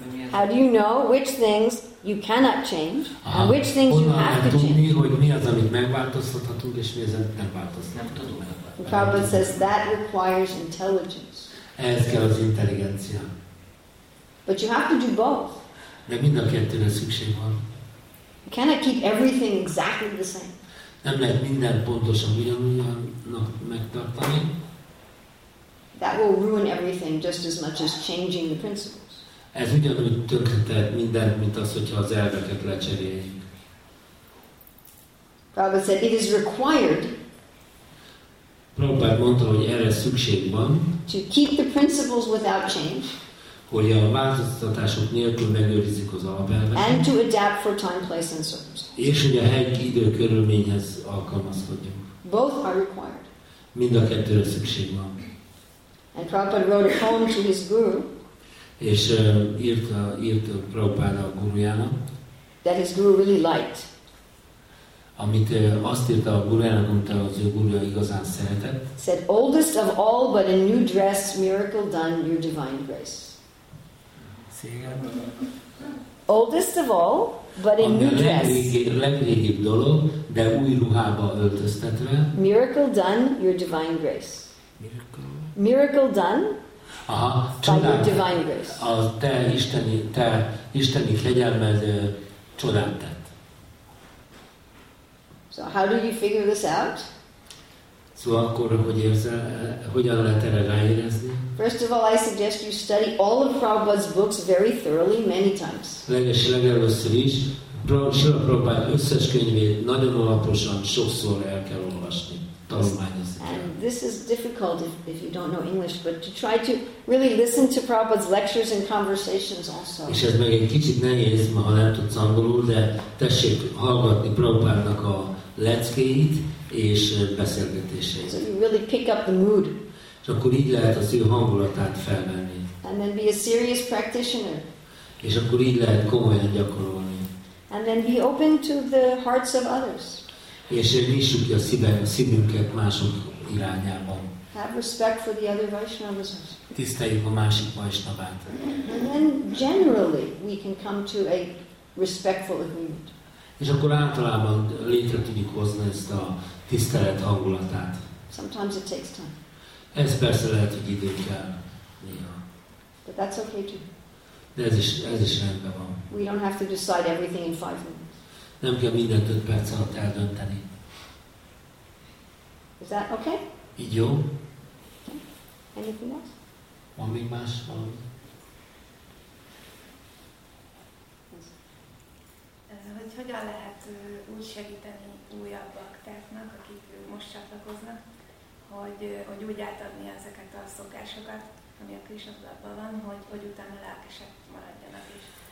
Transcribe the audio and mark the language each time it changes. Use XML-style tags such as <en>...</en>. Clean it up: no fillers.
<en>How do you know which things you cannot change and which things you have to change?</en> <hu>Hogy mi az, amit megváltoztathatunk, és mi az, amit nem változtathatunk.</hu> <en>Prabhupada says, that requires intelligence.</en> <hu>Ez kell az intelligencia.</hu> <en>But you have to do both.</en> <hu>De mind a kettőre szükség van.</hu> <en>You cannot keep everything exactly the same.</en> <hu>Nem lehet minden pontosan ugyanúgynak megtartani.</hu> <en>That will ruin everything just as much as changing the principles.</en> <hu>Ez ugyanúgy tönkretehet mindent, mint az, hogyha az elveket lecseréljük.</hu> <en>Prabhupada said, it is required.</en> <hu>Prabhupada mondta, hogy erre szükség van.</hu> <en>To keep the principles without change.</en> <hu>hogy a változtatások nélkül megőrizik az alapelveket.</hu> <en>And to adapt for time, place and circumstances.</en> <hu>És hogy a hely, idő, körülményhez alkalmazkodjunk.</hu> <en>Both are required.</en> <hu>Mind a kettőre szükség van.</hu> <en>And Prabhupada wrote a poem to his guru.</en> <hu>És írta Prabhupada a gurujának.</hu> <en>That his guru really liked.</en> <hu>Amit azt írta a gurujának, mondta, az ő gurúja igazán szeretett.</hu> <en>Said, oldest of all, but a new dress, miracle done, your divine grace. Oldest of all, but in new dress.</en> <hu>Legrégibb dolog, de új ruhába öltöztetve.</hu> <en>Miracle done, your divine grace. Miracle done. Aha,</en> <hu>csodál,</hu> <en>your divine grace.</en> <hu>A te isteni kegyelmed csodát tett.</hu> <en>So how do you figure this out?</en> <hu>Szóval akkor hogy érzel, hogyan lehet erre ráérezni?</hu> <en>First of all, I suggest you study all of Prabhupada's books very thoroughly, many times.</en> <hu>Legelőször is, Prabhupada összes könyvét nagyon alaposan, sokszor el kell olvasni, tanulmányozni.</hu> <en>And this is difficult if you don't know English, but to try to really listen to Prabhupada's lectures and conversations also.</en> <hu>És ez meg egy kicsit nehéz, ma ha nem tudsz angolul, de tessék hallgatni Prabhupádnak a leckéit és beszélgetéseit.</hu> <en>So you really pick up the mood.</en> <hu>És akkor így lehet az ő hangulatát felvenni.</hu> <en>And then be a serious practitioner.</en> <hu>És akkor így lehet komolyan gyakorolni.</hu> <en>And then be open to the hearts of others.</en> <hu>És nyissuk ki a szívünket mások irányában.</hu> <en>Have respect for the other Vaishnavas.</en> <hu>Tiszteljük a másik Vaishnavát.</hu> <en>And then generally we can come to a respectful agreement.</en> <hu>És akkor általában létre tudjuk hozni ezt a tisztelet hangulatát.</hu> <en>Sometimes it takes time.</en> <hu>Ez persze lehet, hogy idő kell néha.</hu> <en>But that's okay too.</en> <hu>De ez is rendben van.</hu> <en>We don't have to decide everything in 5 minutes.</en> <hu>Nem kell mindent 5 perc alatt eldönteni.</hu> <en>Is that okay?</en> <hu>Így jó.</hu> <en>Okay. Anything else?</en> <hu>Van még más valami? Ez, hogy hogyan lehet úgy segíteni újabb aktáknak, akik most csatlakoznak, Hogy úgy átadni ezeket a szokásokat, ami a Krisna tudatban van, hogy utána lelkesek maradjanak is.</hu>